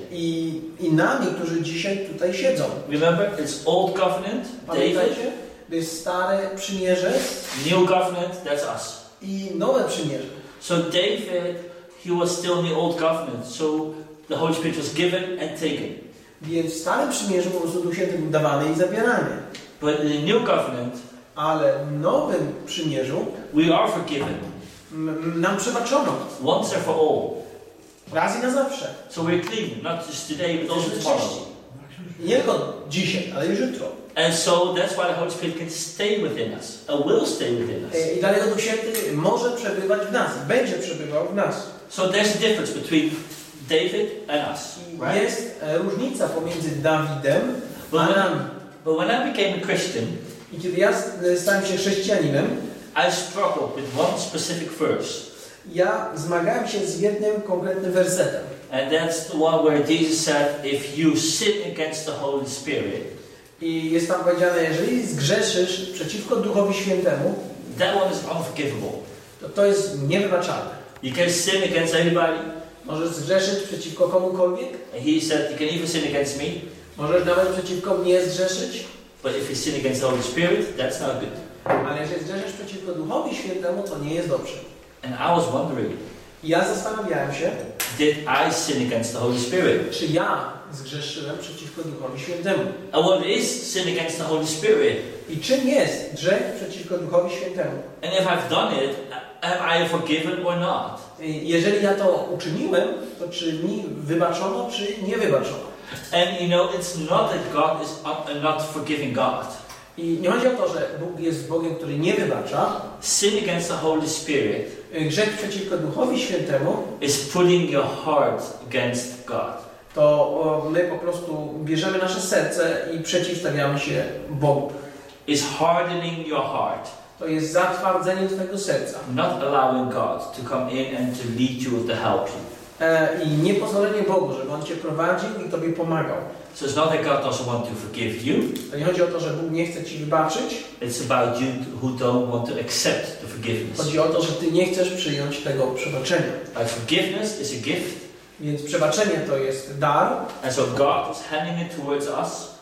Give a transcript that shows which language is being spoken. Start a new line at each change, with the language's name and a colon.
Polish: I nami, którzy dzisiaj tutaj siedzą.
English: Remember, it's old covenant, David.
Polish: To jest stare przymierze.
English: New covenant, that's us.
Polish: I nowe przymierze.
English: So David, he was still in the old covenant. So the Holy Spirit was given and taken.
Polish: Więc stare przymierze po prostu Duch Święty był dawany i zabierany.
English: But in the new covenant,
Polish: ale w nowym przymierzu,
English: we are forgiven.
Polish: Nam przebaczono.
English: Once and for all.
Polish: Raz i na zawsze.
English: So we're clean, not just today, but also tomorrow.
Polish: Nie tylko dzisiaj, ale już jutro.
English: And so that's why the Holy Spirit can stay within us, and will stay within us.
Polish: I dlatego Duch Święty może przebywać w nas, będzie przebywał w nas.
English: So there's a difference between David and us, right?
Polish: Jest różnica pomiędzy Dawidem a nami.
English: But when I became a Christian,
Polish: i kiedy ja stałem się chrześcijaninem,
English: I struggled with one specific verse.
Polish: Ja zmagałem się z jednym konkretnym wersetem.
English: And that's the one where Jesus said, if you sin against the Holy Spirit.
Polish: I jest tam powiedziane, jeżeli zgrzeszysz przeciwko Duchowi Świętemu,
English: that one is unforgivable.
Polish: To jest niewybaczalne.
English: You can sin against anybody.
Polish: Możesz zgrzeszyć przeciwko komukolwiek.
English: And he said, you can even sin against me.
Polish: Możesz nawet przeciwko mnie zgrzeszyć.
English: But if you sin against the Holy Spirit, that's not good.
Polish: Ale jeżeli zgrzeszysz przeciwko Duchowi Świętemu, to nie jest dobrze.
English: And I was wondering.
Polish: Ja zastanawiałem się.
English: Did I sin against the Holy Spirit?
Polish: Czy ja zgrzeszyłem przeciwko Duchowi Świętemu?
English: And what is sin against the Holy Spirit?
Polish: I czym jest grzech przeciwko Duchowi Świętemu?
English: And if I've done it, am I forgiven or not?
Polish: Jeżeli ja to uczyniłem, to czy mi wybaczono, czy nie wybaczono?
English: And you know, it's not that God is not forgiving God.
Polish: I nie chodzi o to, że Bóg jest Bogiem, który nie wybacza.
English: Sin against the Holy Spirit.
Polish: Grzech przeciwko Duchowi Świętemu.
English: Is putting your heart against God.
Polish: To my po prostu bierzemy nasze serce i przeciwstawiamy się Bogu.
English: Is hardening your heart.
Polish: To jest zatwardzenie twojego serca.
English: Not allowing God to come in and to lead you and to help you.
Polish: I nie pozwolenie Bogu, żeby On cię prowadził i tobie pomagał.
English: So it's not that God doesn't want to forgive you.
Polish: To nie chodzi o to, że Bóg nie chce ci wybaczyć.
English: It's about you who don't want to accept the forgiveness.
Polish: Chodzi o to, że ty nie chcesz przyjąć tego przebaczenia.
English: But forgiveness is a gift.
Polish: Więc przebaczenie to jest dar.
English: And so God is handing it towards us.